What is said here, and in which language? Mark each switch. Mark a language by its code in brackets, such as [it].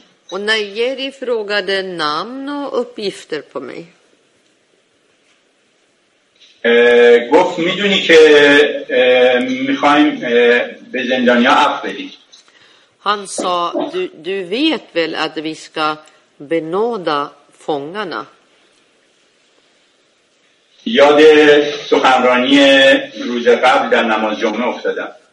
[sv] Och Nayeri frågade namn och uppgifter på mig. [fa] گفت میدونی که میخوایم به زندانیا عفو بدیم. [sv] Han sa du vet väl att vi ska benåda fångarna. [fa] یاد سخنرانی روز قبل در نماز جمعه افتادم.